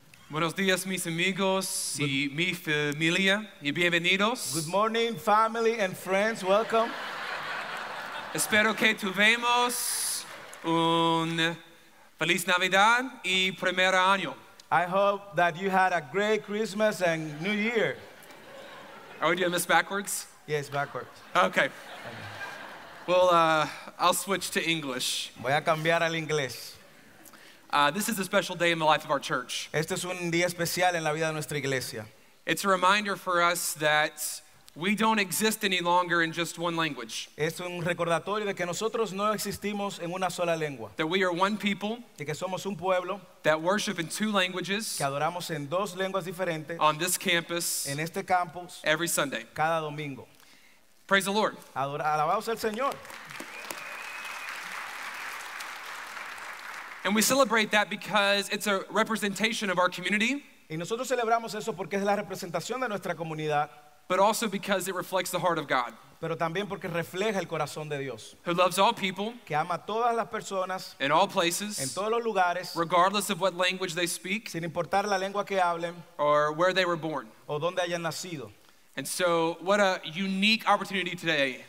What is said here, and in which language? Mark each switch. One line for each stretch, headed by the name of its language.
Spanish: Buenos días, mis amigos y mi familia, y bienvenidos.
English: Good morning, family and friends. Welcome.
Spanish: Espero que tuvemos un feliz Navidad y primer año.
English: I hope that you had a great Christmas and New Year. Oh, did you miss backwards? Yes, backwards. Okay. Well, I'll switch to English.
Spanish: Voy a cambiar al inglés.
English: This is a special day in the life of our church.
Spanish: Este es un día especial en la vida de nuestra iglesia.
English: It's a reminder for us that we don't exist any longer in just one language.
Spanish: Es un recordatorio de que nosotros no existimos en una sola lengua.
English: That we are one people.
Spanish: Y que somos un pueblo.
English: That worship in two languages.
Spanish: Que adoramos en dos lenguas diferentes.
English: On this campus.
Spanish: En este campus.
English: Every Sunday.
Spanish: Cada domingo.
English: Praise the Lord.
Spanish: Alabaos al Señor.
English: And we celebrate that because it's a representation of our community.
Spanish: Y nosotros celebramos eso porque es la representación de nuestra comunidad.
English: But also because it reflects the heart of God.
Spanish: Pero también porque refleja el corazón de Dios.
English: Who loves all people.
Spanish: Que ama todas las personas.
English: In all places.
Spanish: En todos los lugares.
English: Regardless of what language they speak.
Spanish: Sin importar la lengua que hablen.
English: Or where they were born.
Spanish: O donde hayan nacido.
English: And so, what a unique opportunity today.